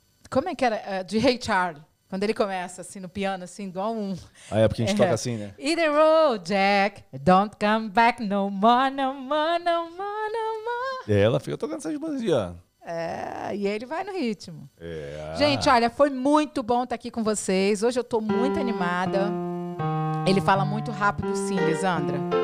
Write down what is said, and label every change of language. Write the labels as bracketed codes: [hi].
[pt] como é que era? De Ray Charles. Quando ele começa, assim, no piano, assim, igual um... Ah, é porque a gente toca assim, né? [en] In the road, Jack, don't come back no more, no more, no more, no more. [pt] É, ela fica tocando essas músicas aí, ó. É, e ele vai no ritmo. É. Gente, olha, foi muito bom estar aqui com vocês. Hoje eu tô muito animada. Ele fala muito rápido, sim, Lisandra.